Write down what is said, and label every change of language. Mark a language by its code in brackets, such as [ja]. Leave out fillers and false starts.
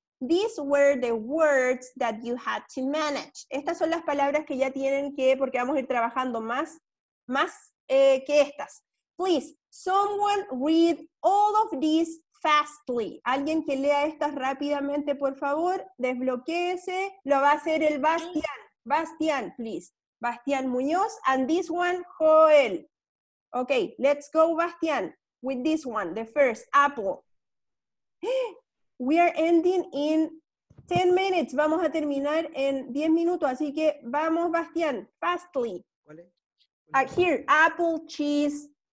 [en] These were the words that you had to manage. [es] Estas son las palabras que ya tienen que, porque vamos a ir trabajando más que estas. [en] Please, someone read all of these fastly. [es] Alguien que lea estas rápidamente, por favor, desbloquéese. Lo va a hacer el Bastián. Bastián, please. Bastián Muñoz. [en] And this one, Joel. Okay, let's go, Bastián, with this one, the first, apple. We are ending in 10 minutes. [es] Vamos a terminar en 10 minutos, así que vamos, Bastián, fastly. ¿Cuál es? [en] Here, apple, cheese.